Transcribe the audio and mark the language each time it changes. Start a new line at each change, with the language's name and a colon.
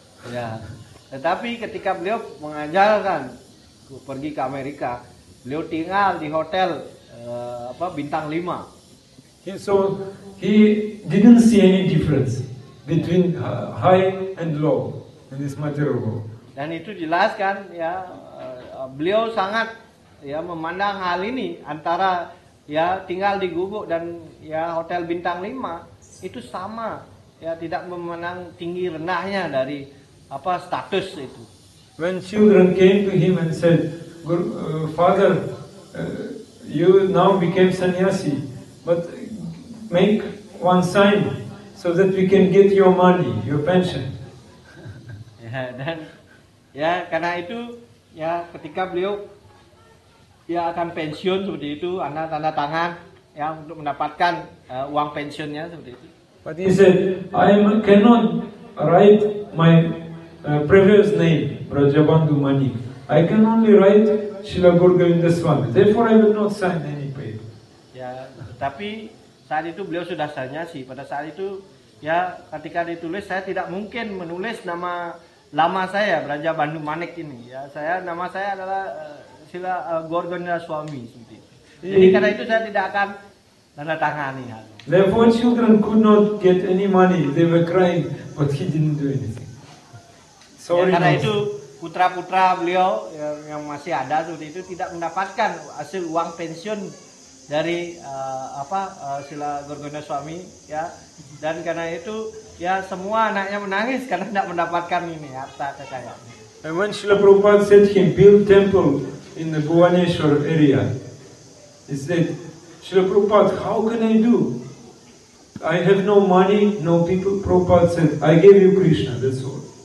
Indonesian: Ya, tetapi ketika beliau mengajarkan pergi ke Amerika, beliau tinggal di hotel bintang 5.
English: He so he didn't see any difference between high and low in this material world.
Indonesian: Dan itu jelaskan ya beliau sangat ya memandang hal ini antara ya tinggal di gubuk dan ya hotel bintang 5 itu sama ya tidak memandang tinggi rendahnya dari status itu.
English: When children came to him and said, Guru, father, you now became sannyasi, but make one sign so that we can get your money, your pension.
Indonesian: Ya, dan ya karena itu ya ketika beliau ya akan pensiun seperti itu, anda tanda tangan ya untuk mendapatkan uang pensiunnya seperti itu.
English: But he said, I cannot write my previous name, Brajabandhu Manik. I can only write Srila Guru Govinda Swami. Therefore, I will not sign any paper.
Indonesian: Ya, tapi saat itu beliau sudah sannyasi. Pada saat itu, ya ketika ditulis, saya tidak mungkin menulis nama lama saya, Brajabandhu Manik ini. Ya, saya nama saya adalah Srila Guru Govinda Swami. Jadi karena itu saya tidak akan tanda tangani.
English: Therefore, children could not get any money. They were crying, but he didn't do anything.
Indonesian: Ya, karena itu putra-putra beliau yang masih ada seperti itu tidak mendapatkan hasil uang pensiun dari Srila Guru Govinda Swami ya dan karena itu ya semua anaknya menangis karena tidak mendapatkan ini harta kekayaan.
English: And when Srila Prabhupada said him build temple in the Bhuvaneshwar area, he said, Srila Prabhupada, how can I do? I have no money, no people. Prabhupada said, I gave you Krishna, that's all.